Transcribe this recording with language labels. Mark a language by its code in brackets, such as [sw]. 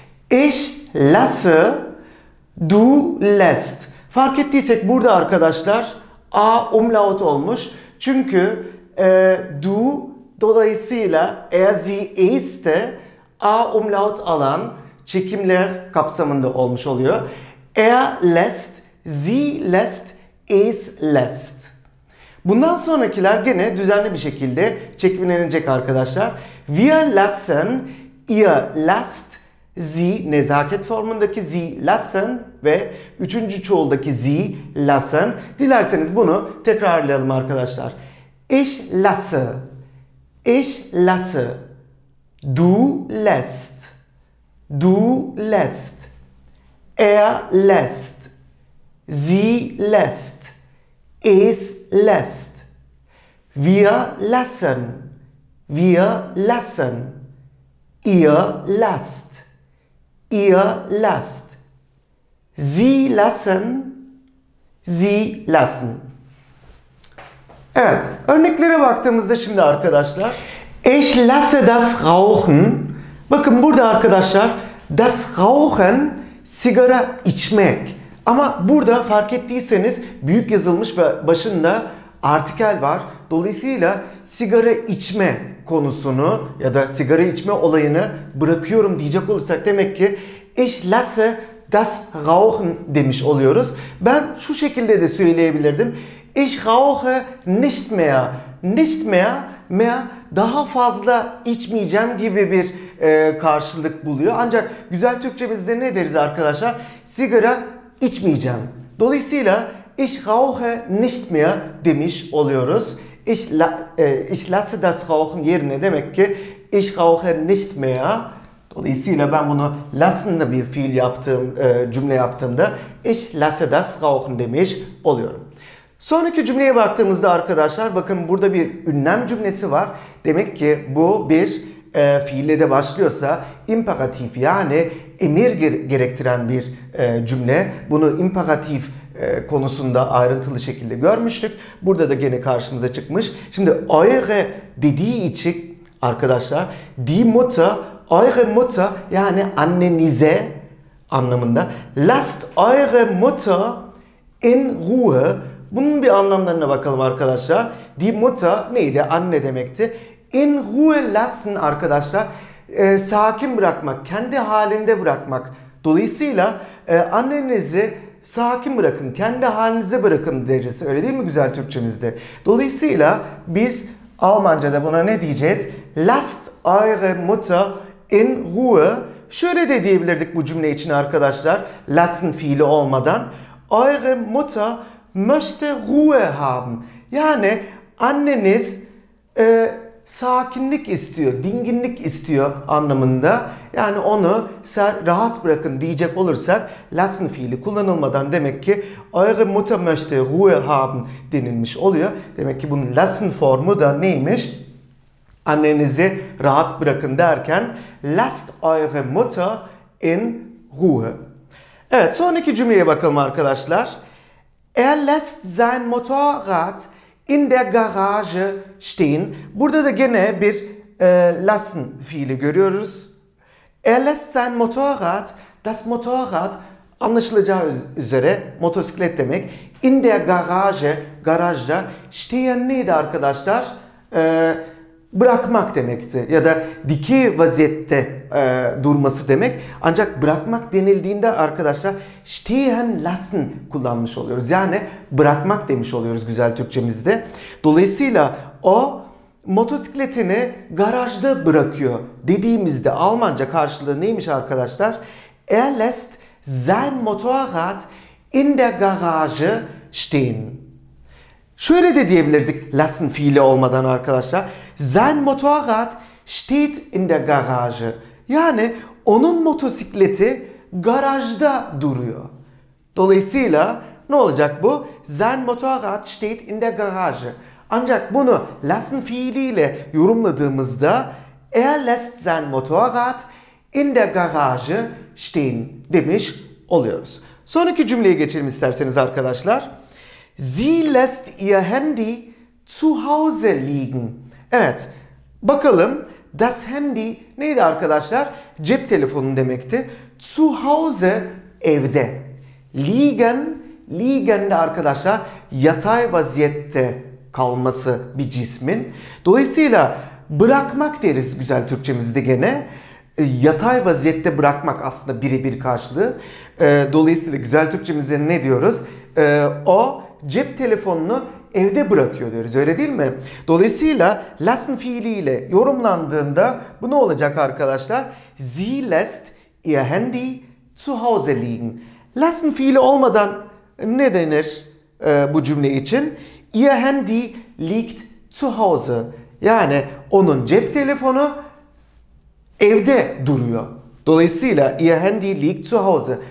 [de] Ich lasse du lässt. [tr] Fark ettiysek burada arkadaşlar A umlaut olmuş. Çünkü du dolayısıyla er sie ist de A umlaut alan çekimler kapsamında olmuş oluyor. [de] Er lässt, sie lässt, es lässt. [tr] Bundan sonrakiler gene düzenli bir şekilde çekimlenecek arkadaşlar. [de] Wir lassen, ihr lasst, sie [tr] nezaket formundaki [de] sie lassen [tr] ve üçüncü çoğuldaki [de] sie lassen. [tr] Dilerseniz bunu tekrarlayalım arkadaşlar. [de] Ich lasse, ich lasse, du lässt, du lässt, er lässt, sie lässt, es lässt, wir lassen, wir lassen, ihr lasst, ihr lasst, sie lassen, sie lassen. [tr] Evet, örneklere baktığımızda şimdi arkadaşlar, [de] ich lasse das rauchen. [tr] Bakın burada arkadaşlar, [de] das rauchen [tr] sigara içmek. Ama burada fark ettiyseniz büyük yazılmış ve başında artikel var. Dolayısıyla sigara içme konusunu ya da sigara içme olayını bırakıyorum diyecek olursak demek ki [de] ich lasse das rauchen [tr] demiş oluyoruz. Ben şu şekilde de söyleyebilirdim. [de] Ich rauche nicht mehr. Nicht mehr, mehr [tr] daha fazla içmeyeceğim gibi bir karşılık buluyor. Ancak güzel Türkçemizde ne deriz arkadaşlar? Sigara içmeyeceğim. Dolayısıyla [de] ich rauche nicht mehr [tr] demiş oluyoruz. [de] Ich lasse das rauchen [tr] yerine demek ki [de] ich rauche nicht mehr. [tr] Dolayısıyla ben bunu lassen'da bir fiil yaptığım cümle yaptığımda [de] ich lasse das rauchen [tr] demiş oluyorum. Sonraki cümleye baktığımızda arkadaşlar bakın burada bir ünlem cümlesi var. Demek ki bu bir fiille de başlıyorsa imperatif yani emir gerektiren bir cümle. Bunu imperatif konusunda ayrıntılı şekilde görmüştük. Burada da gene karşımıza çıkmış. Şimdi eure dediği için arkadaşlar [de] die Mutter, eure Mutter [tr] yani annenize anlamında. [de] Lasst eure Mutter in Ruhe. [tr] Bunun bir anlamlarına bakalım arkadaşlar. [de] Die Mutter [tr] neydi? Anne demekti. [de] In Ruhe lassen [tr] arkadaşlar. Sakin bırakmak, kendi halinde bırakmak. Dolayısıyla annenizi sakin bırakın, kendi halinize bırakın deriz. Öyle değil mi güzel Türkçemizde? Dolayısıyla biz Almanca'da buna ne diyeceğiz? [de] Lasst eure Mutter in Ruhe. [tr] Şöyle de diyebilirdik bu cümle için arkadaşlar. Lassen fiili olmadan. [de] Eure Mutter möchte Ruhe haben. [tr] Yani anneniz sakinlik istiyor, dinginlik istiyor anlamında. Yani onu rahat bırakın diyecek olursak lassen fiili kullanılmadan demek ki [de] eure Mutter möchte Ruhe haben [tr] denilmiş oluyor. Demek ki bunun lassen formu da neymiş? Annenizi rahat bırakın derken [de] lasst eure Mutter in Ruhe. [tr] Evet, sonraki cümleye bakalım arkadaşlar. [de] Er lässt sein Motorrad in der Garage stehen. [tr] Burada da gene bir lassen fiili görüyoruz. [de] Er lässt sein Motorrad, das Motorrad [tr] anlaşılacağı üzere motosiklet demek. [de] In der Garage, [tr] garajda [de] stehen [tr] neydi arkadaşlar? Bırakmak demekti ya da dikey vaziyette durması demek. Ancak bırakmak denildiğinde arkadaşlar [de] stehen lassen [tr] kullanmış oluyoruz. Yani bırakmak demiş oluyoruz güzel Türkçemizde. Dolayısıyla o motosikletini garajda bırakıyor dediğimizde Almanca karşılığı neymiş arkadaşlar? [de] Er lässt sein Motorrad in der Garage stehen. [tr] Şöyle de diyebilirdik lassen fiili olmadan arkadaşlar. [de] Sein Motorrad steht in der Garage. [tr] Yani onun motosikleti garajda duruyor. Dolayısıyla ne olacak bu? [de] Sein Motorrad steht in der Garage. [tr] Ancak bunu [de] lassen [tr] fiiliyle yorumladığımızda [de] lässt sein Motorrad in der Garage stehen [tr] demiş oluyoruz. Sonraki cümleye geçelim isterseniz arkadaşlar. [de] Sie lässt ihr Handy zu Hause liegen. [tr] Evet, bakalım. [de] Das Handy [tr] neydi arkadaşlar? Cep telefonu demekti. [de] Zu Hause, [tr] evde. [de] Liegen, liegen [tr] de arkadaşlar yatay vaziyette kalması bir cismin. Dolayısıyla bırakmak deriz güzel Türkçemizde gene. Yatay vaziyette bırakmak aslında birebir karşılığı. Dolayısıyla güzel Türkçemizde ne diyoruz? O cep telefonunu evde bırakıyor diyoruz, öyle değil mi? Dolayısıyla lassen fiiliyle yorumlandığında bu ne olacak arkadaşlar? [de] Sie lässt ihr Handy zu Hause liegen. [tr] Lassen fiili olmadan ne denir bu cümle için? [de] Ihr Handy liegt zu Hause. [tr] Yani onun cep telefonu evde duruyor. Dolayısıyla [de] ihr Handy liegt zu Hause.